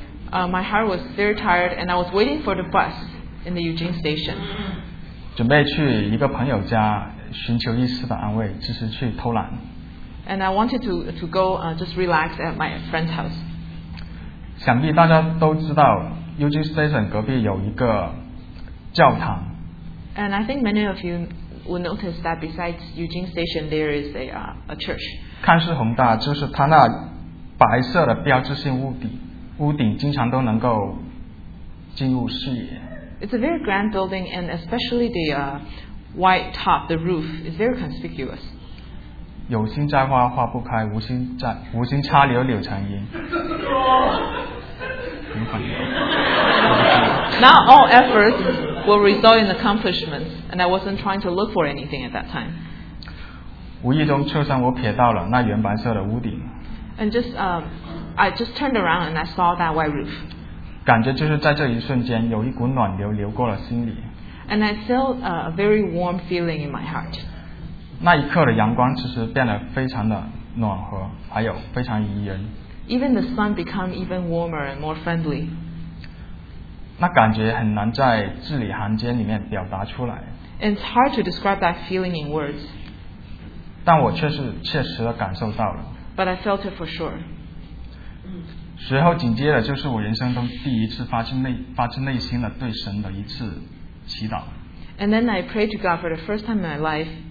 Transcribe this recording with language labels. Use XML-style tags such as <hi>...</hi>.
<en>My heart was very tired, and I was waiting for the bus in the Eugene Station.</en> <zh>准备去一个朋友家。寻求一丝的安慰，只是去偷懒。</zh> <en>And I wanted to go just relax at my friend's house.</en> <zh>想必大家都知道 Eugene Station 隔壁有一个教堂。</zh> <en>And I think many of you will notice that besides Eugene Station, there is a church.</en> <zh>看似宏大，就是它那白色的标志性屋顶经常都能够进入视野。</zh> <en>It's a very grand building, and especially the white top, the roof is very conspicuous.</en> <zh>有心栽花花不开，无心插柳柳成荫。</zh> <en>Not all efforts will result in accomplishments, and I wasn't trying to look for anything at that time.</en> <zh>无意中侧身，我瞥到了那原白色的屋顶。</zh> <en>And just I just turned around and I saw that white roof.</en> <zh>感觉就是在这一瞬间，有一股暖流流过了心里。</zh> <en>And I felt a very warm feeling in my heart.</en> <zh>那一刻的阳光其实变得非常的暖和，还有非常宜人。</zh> <en>Even the sun became even warmer and more friendly.</en> <zh>那感觉很难在字里行间里面表达出来。</zh> <en>And it's hard to describe that feeling in words.</en> <zh>但我却是确实的感受到了。</zh> <en>But I felt it for sure.</en> <zh>随后紧接着就是我人生中第一次发自内心的对神的一次祈祷。</zh> <en>And then I prayed to God for the first time in my life.</en>